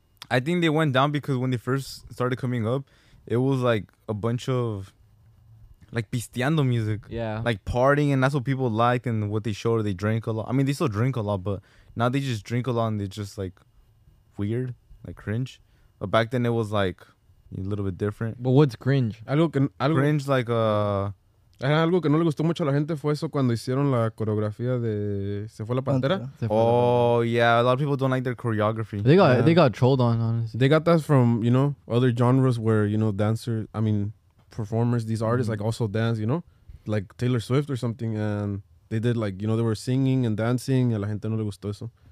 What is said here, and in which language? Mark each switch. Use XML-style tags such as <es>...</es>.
<en>I think they went down because when they first started coming up, it was like a bunch of like pisteando music. Yeah. Like partying, and that's what people liked and what they showed. They drank a lot. I mean, they still drink a lot, but now they just drink a lot and they're just like weird, like cringe. But back then it was like a little bit different. But what's cringe? Cringe like</en> <es>algo que no le gustó mucho a la gente fue eso cuando hicieron la coreografía de Se Fue la Pantera.</es> <en>A lot of people don't like their choreography. They got trolled on, honestly. They got that from, you know, other genres where, you know, performers, these artists, like, also dance, you know? Like Taylor Swift or something. And they did, like, you know, they were singing and dancing.</en> <es>A la gente no le gustó eso.</es>